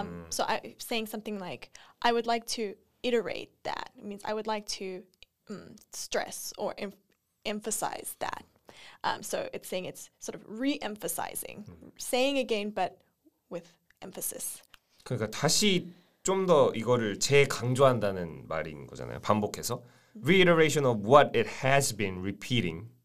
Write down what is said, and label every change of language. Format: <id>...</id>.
<en>So I saying something like I would like to iterate that means I would like to stress or emphasize that. So it's saying it's sort of re-emphasizing, saying again but with emphasis.</en> <ko>그러니까 다시 좀 더 이거를 재강조한다는 말인 거잖아요.</ko> <en>반복해서 reiteration of what it has been repeating.</en>